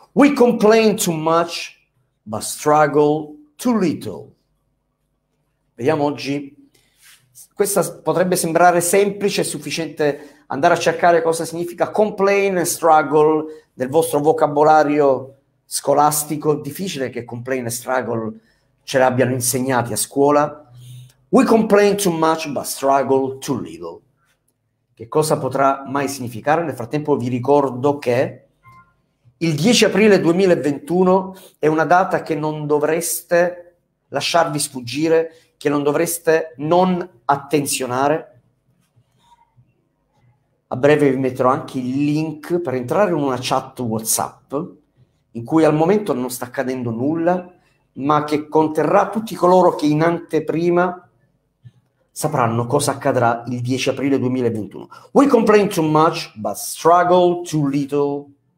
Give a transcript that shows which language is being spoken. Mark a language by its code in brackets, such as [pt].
[en] We complain too much, but struggle too little. [it] Vediamo oggi. Questa potrebbe sembrare semplice e sufficiente andare a cercare cosa significa complain e struggle nel vostro vocabolario scolastico. Difficile che complain e struggle ce l'abbiano insegnati a scuola. [en] We complain too much but struggle too little. [it] Che cosa potrà mai significare? Nel frattempo vi ricordo che il 10 aprile 2021 è una data che non dovreste lasciarvi sfuggire, che non dovreste non attenzionare. A breve vi metterò anche il link per entrare in una chat WhatsApp in cui al momento non sta accadendo nulla, ma che conterrà tutti coloro che in anteprima sapranno cosa accadrà il 10 aprile 2021. [en] We complain too much, but struggle too little.